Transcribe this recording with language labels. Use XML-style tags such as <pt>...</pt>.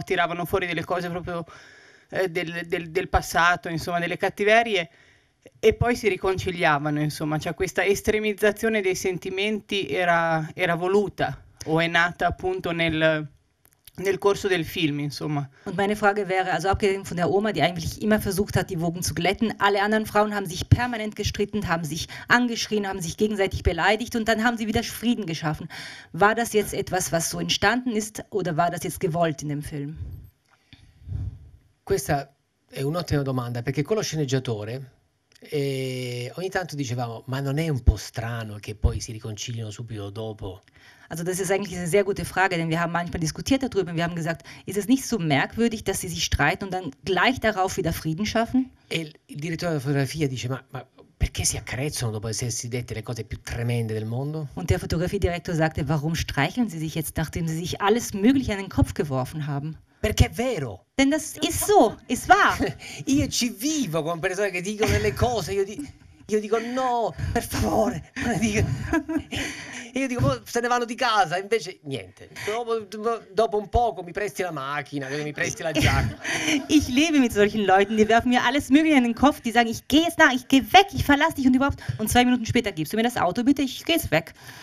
<it>Tiravano fuori delle cose proprio del passato, insomma, delle cattiverie, e poi si riconciliavano, insomma, cioè questa estremizzazione dei sentimenti era voluta o è nata appunto nel corso del film, insomma.</it> <de>Und meine Frage wäre, also abgesehen von der Oma, die eigentlich immer versucht hat, die Wogen zu glätten, alle anderen Frauen haben sich permanent gestritten, haben sich angeschrien, haben sich gegenseitig beleidigt und dann haben sie wieder Frieden geschaffen. War das jetzt etwas, was so entstanden ist oder war das jetzt gewollt in dem Film?</de> <it>Questa è un'ottima domanda, perché con lo sceneggiatore ogni tanto dicevamo, ma non è un po' strano che poi si riconciliano subito dopo?</it> <de>Also das ist eigentlich eine sehr gute Frage, denn wir haben manchmal diskutiert darüber und wir haben gesagt, ist es nicht so merkwürdig, dass sie sich streiten und dann gleich darauf wieder Frieden schaffen?</de> <it>Il direttore della fotografia dice, ma perché si accarezzano dopo essersi dette le cose più tremende del mondo?</it> <de>Und der Fotografiedirektor sagte, warum streicheln sie sich jetzt, nachdem sie sich alles mögliche an den Kopf geworfen haben?</de> <it>Perché è vero.</it> <de>Denn das ist so, ist wahr.</de> <it>Io ci vivo con persone che dicono delle cose, io dico no, per favore, non dico. Io dico, se ne vanno di casa, invece niente. Dopo un poco mi presti la macchina, mi presti la giacca.</it> <de>Ich lebe mit solchen Leuten, die werfen mir alles Mögliche in den Kopf, die sagen, ich gehe jetzt nach, ich gehe weg, ich verlasse dich und überhaupt. Und zwei Minuten später gibst du mir das Auto, bitte, ich gehe jetzt weg.</de>